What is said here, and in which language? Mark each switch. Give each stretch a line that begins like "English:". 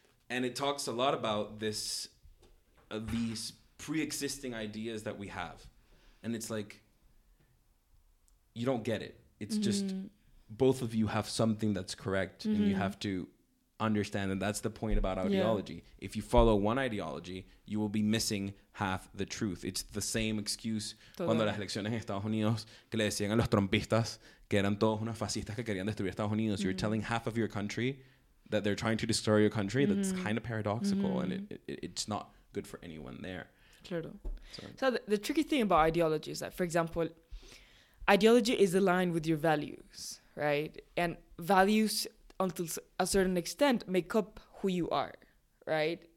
English: And it talks a lot about this, these pre-existing ideas that we have. And it's like, you don't get it. It's mm-hmm. just both of you have something that's correct mm-hmm. and you have to understand. And that's the point about ideology. Yeah. If you follow one ideology, you will be missing half the truth. It's the same excuse. Todo.
Spanish: Cuando las elecciones en Estados Unidos que le decían a los trumpistas que eran todos unos fascistas que querían destruir Estados Unidos.
English: Mm-hmm. You're telling half of your country that they're trying to destroy your country. Mm-hmm. That's kind of paradoxical mm-hmm. and it's not good for anyone there.
Spanish: Claro.
English: So the tricky thing about ideology is that, for example, ideology is aligned with your values, right? And values, until a certain extent, make up who you are, right?